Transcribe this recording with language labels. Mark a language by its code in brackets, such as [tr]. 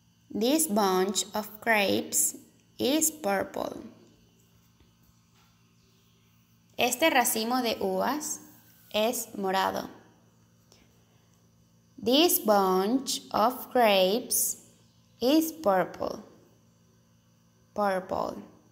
[en] This bunch of grapes is purple. [es] Este racimo de uvas es morado. [en] This bunch of grapes is purple. Purple.